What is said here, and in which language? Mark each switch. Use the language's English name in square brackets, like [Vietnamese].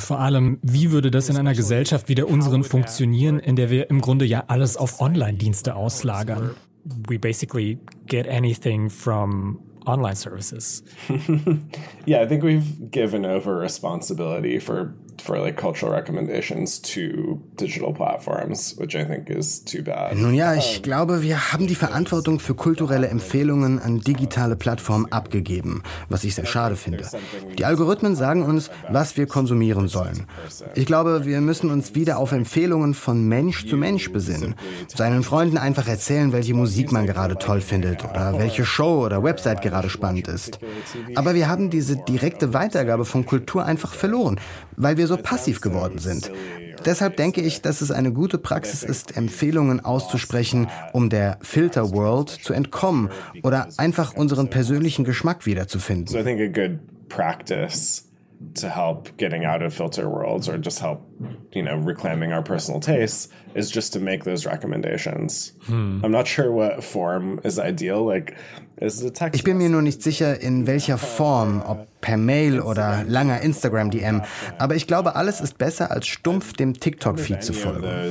[German] Vor allem, wie würde das in einer Gesellschaft wie der unseren funktionieren, in der wir im Grunde ja alles auf Online-Dienste auslagern? [English] We basically get anything from online services. Yeah, I think we've given over responsibility for like cultural recommendations to digital platforms, which I think is too bad. [German] Nun ja, ich glaube, wir haben die Verantwortung für kulturelle Empfehlungen an digitale Plattformen abgegeben, was ich sehr schade finde. Die Algorithmen sagen uns, was wir konsumieren sollen. Ich glaube, wir müssen uns wieder auf Empfehlungen von Mensch zu Mensch besinnen. Seinen Freunden einfach erzählen, welche Musik man gerade toll findet oder welche Show oder Website gerade spannend ist. Aber wir haben diese direkte Weitergabe von Kultur einfach verloren, weil wir so passiv geworden sind. Deshalb denke ich, dass es eine gute Praxis ist, Empfehlungen auszusprechen, um der Filter-World zu entkommen oder einfach unseren persönlichen Geschmack wiederzufinden. [English] So I think a good practice to help getting out of filter worlds or just help, you know, reclaiming our personal tastes is just to make those recommendations. I'm not sure what form is ideal, like [German] ich bin mir nur nicht sicher, in welcher Form, ob per Mail oder langer Instagram-DM, aber ich glaube, alles ist besser, als stumpf dem TikTok-Feed zu folgen.